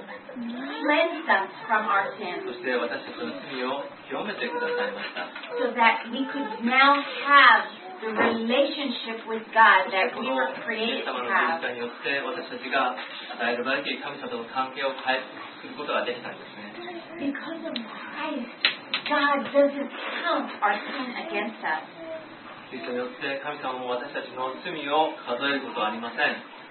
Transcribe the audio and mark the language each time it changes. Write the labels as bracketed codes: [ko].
[en] Cleansed us from our sins. [ja] そして私たちの罪を清めてくださいました。 [en] So that we could now have the relationship with God that we were created to have. [ja] そしてこのイエス様の十字架によって私たちが与えられている神様との関係を回復することができたんですね。 [en] Because of Christ, God doesn't count our sin against us. [ja] キリストによって神様も私たちの罪を数えることはありません。